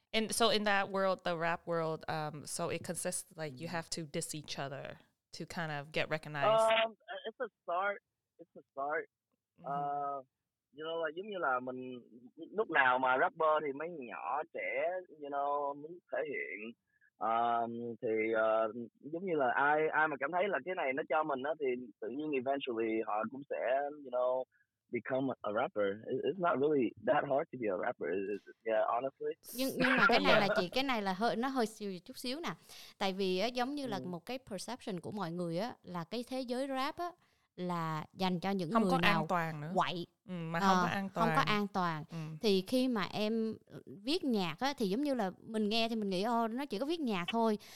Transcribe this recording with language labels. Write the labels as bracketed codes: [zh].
[en] So in that world, the rap world, so it consists like you have to diss each other to kind of get recognized. It's a start. [vi] You know, like, giống như là mình lúc nào mà rapper thì mấy nhỏ trẻ, you know, muốn thể hiện thì giống như là ai mà cảm thấy là cái này nó cho mình á thì tự nhiên eventually họ cũng sẽ, you know, [en] become a rapper. It's not really that hard to be a rapper. Yeah, honestly. [vi] Nhưng mà cái này là chị, cái này là hơi siêu chút xíu nè. Tại vì á, giống như là một cái perception của mọi người á là cái thế giới rap á là dành cho những không người nào quậy, mà không có an toàn. Không có an toàn. Thì khi mà em viết nhạc á thì giống như là mình nghe thì mình nghĩ nó chỉ có viết nhạc thôi.